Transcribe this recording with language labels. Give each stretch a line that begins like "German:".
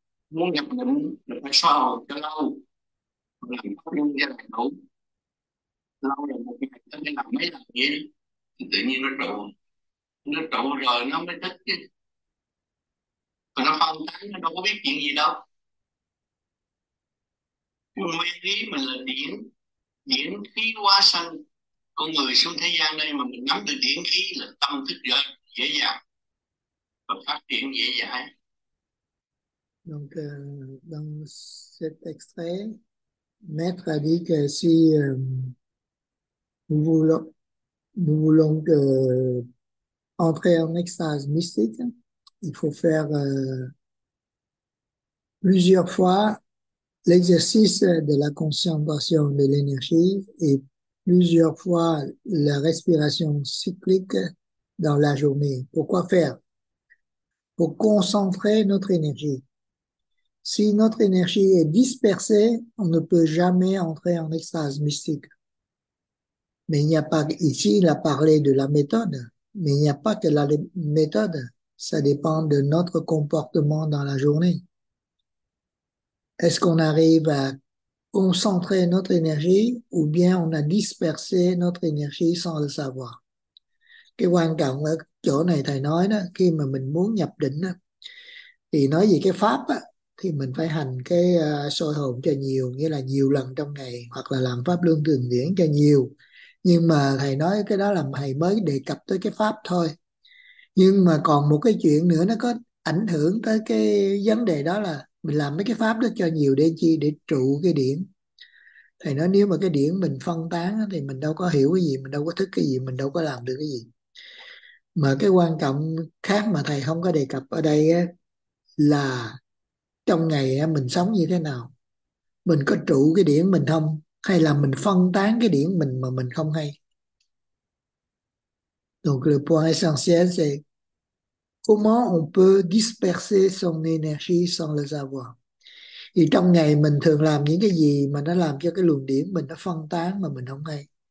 Vietnamese: Muốn nhập định là phải sao cho lâu làm pháp luân như này đủ lâu rồi, một ngày tôi phải làm mấy lần vậy thì tự nhiên nó trụ rồi nó mới thích chứ, còn nó phân tán nó đâu có biết chuyện gì đâu. Nguyên lý mình là điển, điển khí hóa sanh, con người xuống thế gian đây mà mình nắm được điển khí là tâm thức rồi dễ dàng và phát triển dễ dãi.
French: Donc, dans cet extrait, Maître a dit que si nous voulons entrer en extase mystique, il faut faire plusieurs fois l'exercice de la concentration de l'énergie et plusieurs fois la respiration cyclique dans la journée. Pourquoi faire? pour concentrer notre énergie. Si notre énergie est dispersée, on ne peut jamais entrer en extase mystique. Mais il n'y a pas, ici, il a parlé de la méthode, mais il n'y a pas que la méthode. Ça dépend de notre comportement dans la journée. Est-ce qu'on arrive à concentrer notre énergie ou bien on a dispersé notre énergie sans le savoir?
Vietnamese: Cái quan trọng ở chỗ này thầy nói đó, khi mà mình muốn nhập định đó, thì nói về cái pháp đó, thì mình phải hành cái soi hồn cho nhiều, nghĩa là nhiều lần trong ngày hoặc là làm pháp luân thường chuyển cho nhiều. Nhưng mà thầy nói cái đó là thầy mới đề cập tới cái pháp thôi. Nhưng mà còn một cái chuyện nữa nó có ảnh hưởng tới cái vấn đề đó là mình làm mấy cái pháp đó cho nhiều để chi, để trụ cái điển. Thầy nói nếu mà cái điển mình phân tán thì mình đâu có hiểu cái gì, mình đâu có thức cái gì, mình đâu có làm được cái gì. Mà cái quan trọng khác mà thầy không có đề cập ở đây á, là trong ngày á, mình sống như thế nào, mình có trụ cái điển mình không hay là mình phân tán cái điển mình mà mình không hay.
French: Donc le point essentiel c'est comment on peut disperser son énergie sans le savoir.
Vietnamese: Thì trong ngày mình thường làm những cái gì mà nó làm cho cái luồng điển mình nó phân tán mà mình không hay.